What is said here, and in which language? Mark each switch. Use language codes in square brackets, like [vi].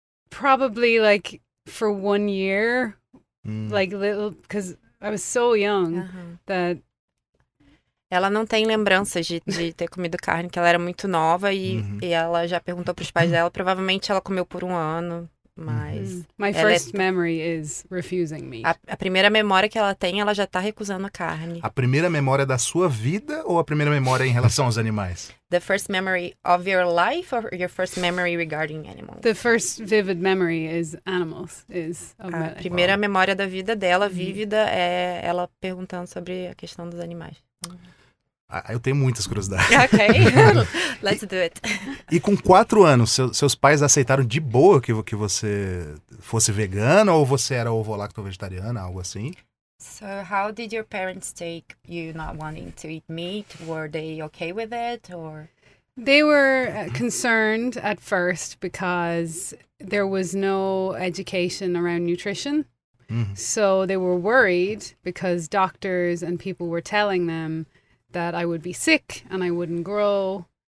[en] Probably like for 1 year, like little, because I was so young that. [pt] Ela não tem lembranças de ter comido carne, que ela era muito nova e ela já perguntou para os pais dela. Provavelmente ela comeu por 1 ano, mas... [en] My first memory is refusing meat. [pt] A primeira memória que ela tem, ela já está recusando a carne. A primeira memória da sua vida ou a primeira memória em relação aos animais? [en] The first memory of your life or your first memory regarding animals? The first vivid memory is animals. Is [pt] a primeira memória da vida dela, vívida, é ela perguntando sobre a questão dos animais. Eu tenho muitas curiosidades. [en] Ok, let's do it. [pt] E com 4 anos, seus pais aceitaram de boa que você fosse vegana ou você era ovo-lacto vegetariana, algo assim? [en] So how did your parents take you not wanting to eat meat? Were they okay with it? Or They were concerned at first because there was no education around nutrition. Mm-hmm. So they were worried because doctors and people were telling them that I would be sick and I wouldn't grow.